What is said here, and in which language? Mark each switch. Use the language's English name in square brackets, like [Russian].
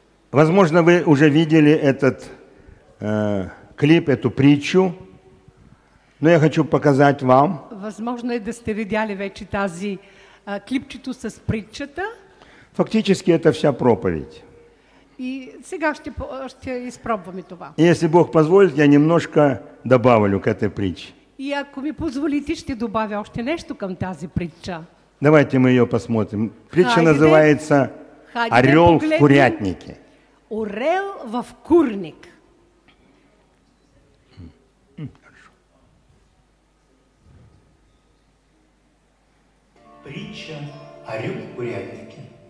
[Russian] Возможно, вы уже видели этот клип, эту притчу, но я хочу показать вам. [Bulgarian] Возможно, да сте видели вече тази клипчето с притчата. [Russian] Фактически, это вся проповедь. [Bulgarian] И сега ще изпробвам и това. [Russian] Если Бог позволит, я немножко добавлю к этой притче. [Bulgarian] И ако ми позволите, ще добавя още нещо към тази притча. [Russian] Давайте мы ее посмотрим. Притча [Bulgarian] хайде, [Russian] называется хайде, «Орел [Bulgarian] погледни [Russian] в курятнике». [Bulgarian] Орел в курник. [Russian] Притча «Орел в курятнике».